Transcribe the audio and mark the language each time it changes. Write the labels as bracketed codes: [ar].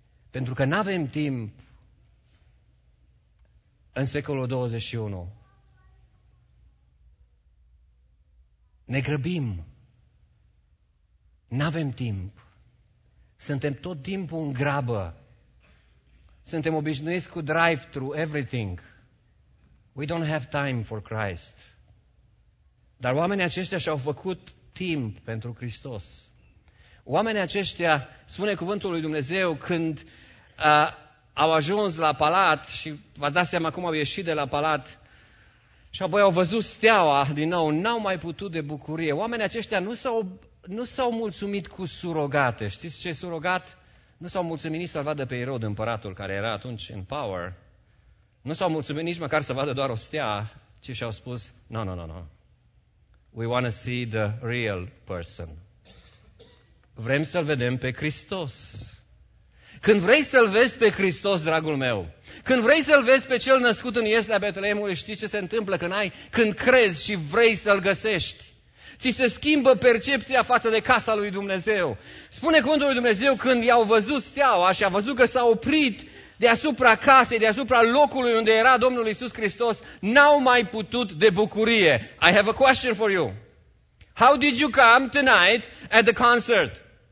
[ro] Pentru că n-avem timp în secolul 21. Ne grăbim. N-avem timp. Suntem tot timpul în grabă. Suntem obișnuiți cu [en] drive-thru, everything. We don't have time for Christ. [ro] Dar oamenii aceștia și-au făcut timp pentru Hristos. Oamenii aceștia, spune cuvântul lui Dumnezeu, când au ajuns la palat și v-ați dat seama cum au ieșit de la palat și apoi au văzut steaua din nou, n-au mai putut de bucurie. Oamenii aceștia nu s-au mulțumit cu surogate. Știți ce surogat? Nu s-au mulțumit nici să-l vadă pe Irod, împăratul care era atunci în power. Nu s-au mulțumit nici măcar să vadă doar o stea, ci și-au spus, [en] no. We want to see the real person. [ro] Vrem să-L vedem pe Hristos. Când vrei să-L vezi pe Hristos, dragul meu, când vrei să-L vezi pe cel născut în Ieslea Betleemului, știi ce se întâmplă când crezi și vrei să-L găsești? Ți se schimbă percepția față de casa lui Dumnezeu. Spune cuvântul lui Dumnezeu, când i-au văzut steaua și a văzut că s-a oprit deasupra casei, deasupra locului unde era Domnul Iisus Hristos, n-au mai putut de bucurie. [en] I have a question for you. How did you come tonight at the concert?